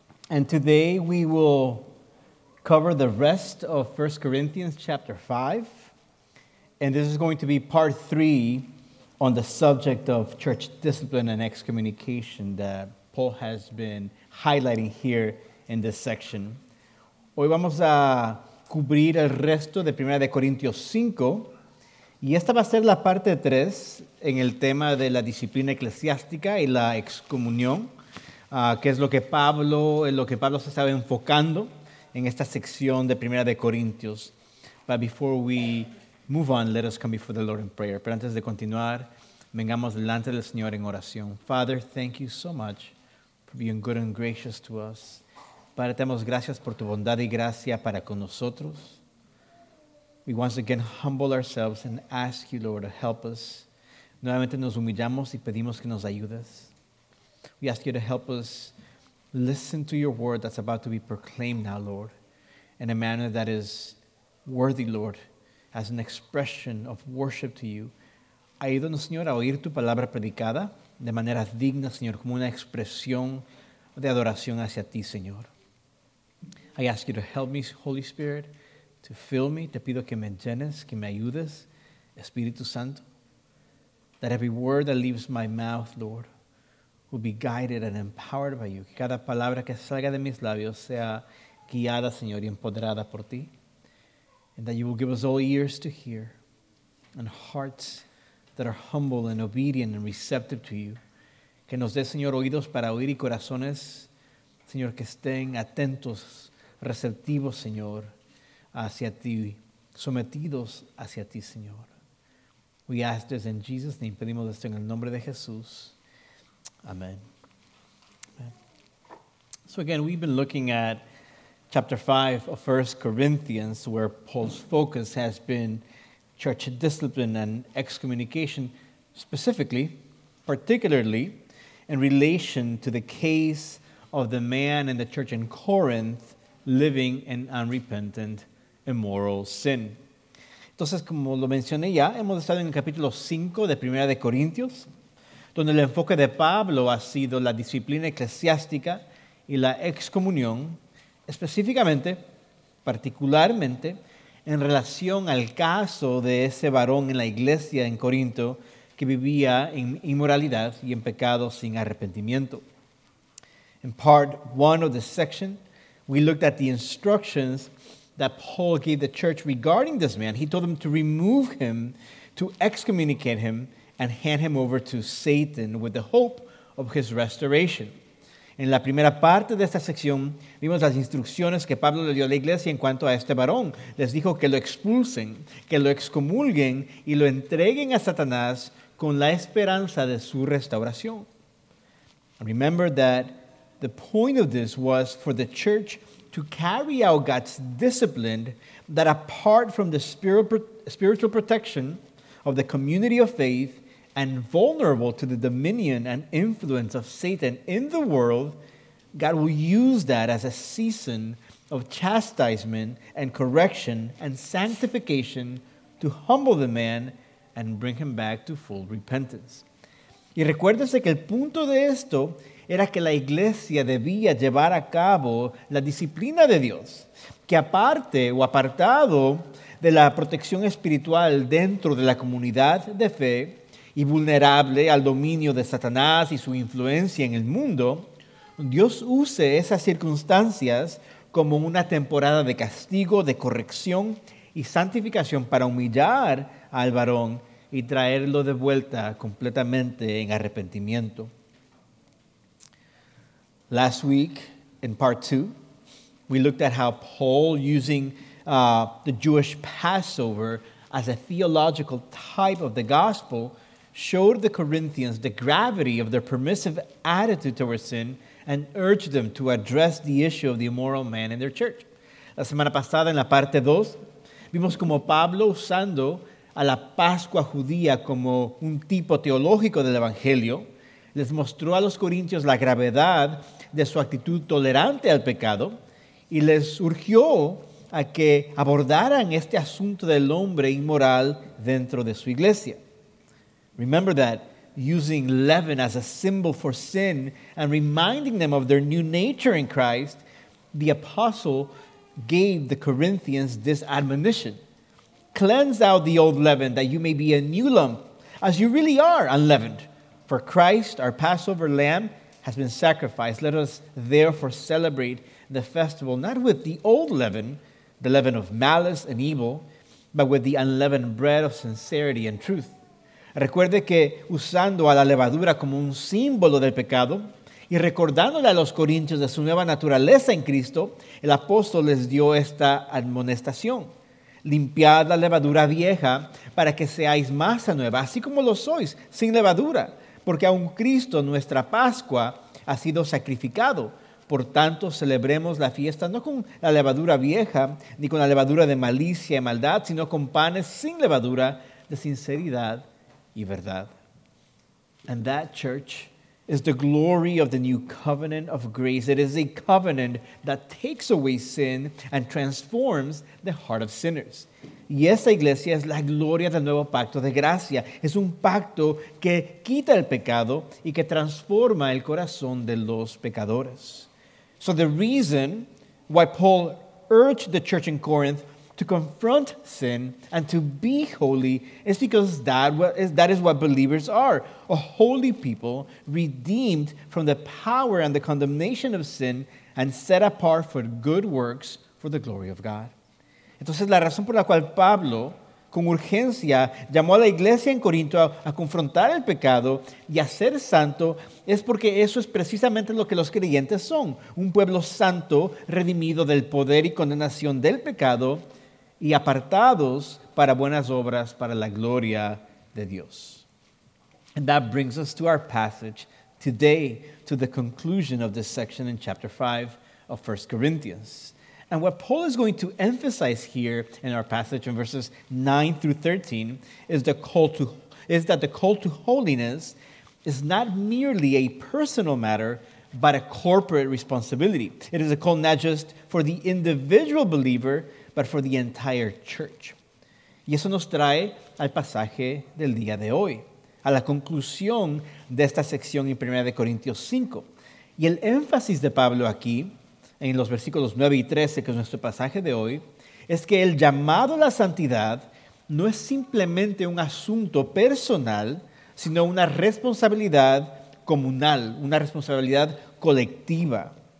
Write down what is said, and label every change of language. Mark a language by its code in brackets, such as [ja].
[en] And today we will cover the rest of 1 Corinthians chapter 5. And this is going to be part 3 on the subject of church discipline and excommunication that Paul has been highlighting here in this section. [es] Hoy vamos a cubrir el resto de 1 Corintios 5. Y esta va a ser la parte 3 en el tema de la disciplina eclesiástica y la excomunión, que es lo que Pablo se estaba enfocando en esta sección de 1 Corintios. [en] But before we move on, let us come before the Lord in prayer. [es] Pero antes de continuar, vengamos delante del Señor en oración. [en] Father, thank you so much for being good and gracious to us. [es] Padre, te damos gracias por tu bondad y gracia para con nosotros. [en] We once again humble ourselves and ask you, Lord, to help us. [es] Nuevamente nos humillamos y pedimos que nos ayudes. [en] We ask you to help us listen to your word that's about to be proclaimed now, Lord, in a manner that is worthy, Lord, as an expression of worship to you. [es] Ayúdanos, Señor, a oír tu palabra predicada de manera digna, Señor, como una expresión de adoración hacia ti, Señor. [en] I ask you to help me, Holy Spirit, to fill me, [es] te pido que me llenes, que me ayudes, Espíritu Santo. [en] That every word that leaves my mouth, Lord, will be guided and empowered by you. [es] Que cada palabra que salga de mis labios sea guiada, Señor, y empoderada por ti. [en] And that you will give us all ears to hear and hearts that are humble and obedient and receptive to you. [es] Que nos dé, Señor, oídos para oír y corazones, Señor, que estén atentos, receptivos, Señor, hacia ti, sometidos hacia ti, Señor. [en] We ask this in Jesus' name. [es] Pedimos esto en el nombre de Jesús. Amen. Amen. [en] So again, we've been looking at chapter 5 of 1 Corinthians, where Paul's focus has been church discipline and excommunication, specifically, particularly, in relation to the case of the man in the church in Corinth living in unrepentant immoral sin. [es] Entonces, como lo mencioné ya, hemos estado en el capítulo 5 de 1 Corintios, donde el enfoque de Pablo ha sido la disciplina eclesiástica y la excomunión, específicamente, particularmente, en relación al caso de ese varón en la iglesia en Corinto que vivía en inmoralidad y en pecado sin arrepentimiento. [en] In part 1 of this section, we looked at the instructions that Paul gave the church regarding this man. He told them to remove him, to excommunicate him, and hand him over to Satan with the hope of his restoration. [es] En la primera parte de esta sección, vimos las instrucciones que Pablo le dio a la iglesia en cuanto a este varón. Les dijo que lo expulsen, que lo excomulguen, y lo entreguen a Satanás con la esperanza de su restauración. [en] Remember that the point of this was for the church to carry out God's discipline that apart from the spiritual protection of the community of faith and vulnerable to the dominion and influence of Satan in the world, God will use that as a season of chastisement and correction and sanctification to humble the man and bring him back to full repentance. [es] Y recuérdese que el punto de esto era que la iglesia debía llevar a cabo la disciplina de Dios, que aparte o apartado de la protección espiritual dentro de la comunidad de fe y vulnerable al dominio de Satanás y su influencia en el mundo, Dios use esas circunstancias como una temporada de castigo, de corrección y santificación para humillar al varón y traerlo de vuelta completamente en arrepentimiento. [en] Last week, in part 2, we looked at how Paul, using the Jewish Passover as a theological type of the gospel, showed the Corinthians the gravity of their permissive attitude towards sin and urged them to address the issue of the immoral man in their church. [es] La semana pasada, en la parte 2, vimos como Pablo, usando a la Pascua judía como un tipo teológico del Evangelio, les mostró a los corintios la gravedad de su actitud tolerante al pecado y les urgió a que abordaran este asunto del hombre inmoral dentro de su iglesia. [en] Remember that using leaven as a symbol for sin and reminding them of their new nature in Christ, the apostle gave the Corinthians this admonition: cleanse out the old leaven that you may be a new lump, as you really are unleavened. For Christ, our Passover lamb, has been sacrificed. Let us therefore celebrate the festival not with the old leaven, the leaven of malice and evil, but with the unleavened bread of sincerity and truth. [es] Recuerde que usando a la levadura como un símbolo del pecado y recordándole a los corintios de su nueva naturaleza en Cristo, el apóstol les dio esta admonestación: limpiad la levadura vieja para que seáis masa nueva, así como lo sois, sin levadura, porque aun Cristo, nuestra Pascua, ha sido sacrificado. Por tanto, celebremos la fiesta no con la levadura vieja, ni con la levadura de malicia y maldad, sino con panes sin levadura de sinceridad y verdad. [en] And that, church, is the glory of the new covenant of grace. It is a covenant that takes away sin and transforms the heart of sinners. [es] Y esa iglesia es la gloria del nuevo pacto de gracia. Es un pacto que quita el pecado y que transforma el corazón de los pecadores. [en] So the reason why Paul urged the church in Corinth to confront sin and to be holy is because that is what believers are: a holy people redeemed from the power and the condemnation of sin and set apart for good works for the glory of God. [es] Entonces, la razón por la cual Pablo, con urgencia, llamó a la iglesia en Corinto a confrontar el pecado y a ser santo es porque eso es precisamente lo que los creyentes son: un pueblo santo, redimido del poder y condenación del pecado y apartados para buenas obras, para la gloria de Dios. [en] And that brings us to our passage today, to the conclusion of this section in chapter 5 of 1 Corinthians. And what Paul is going to emphasize here in our passage in verses 9 through 13 is that the call to holiness is not merely a personal matter, but a corporate responsibility. It is a call not just for the individual believer, but for the entire church. [es] Y eso nos trae al pasaje del día de hoy, a la conclusión de esta sección en 1 Corintios 5. Y el énfasis de Pablo aquí, en los versículos 9 y 13, que es nuestro pasaje de hoy, es que el llamado a la santidad no es simplemente un asunto personal, sino una responsabilidad comunal, una responsabilidad colectiva.